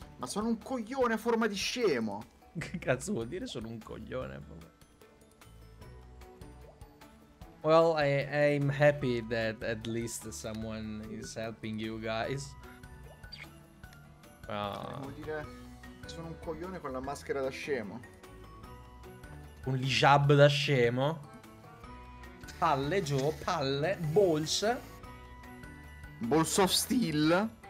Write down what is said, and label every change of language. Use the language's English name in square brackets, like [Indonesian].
[Italian] Ma sono un coglione a forma di scemo. Che cazzo vuol dire sono un coglione? [English] Well, I'm happy that at least someone is helping you guys. [Italian] Vuol dire che sono un coglione con la maschera da scemo. Un l'hijab da scemo. Palle, Joe, palle, balls. [English] Balls of steel.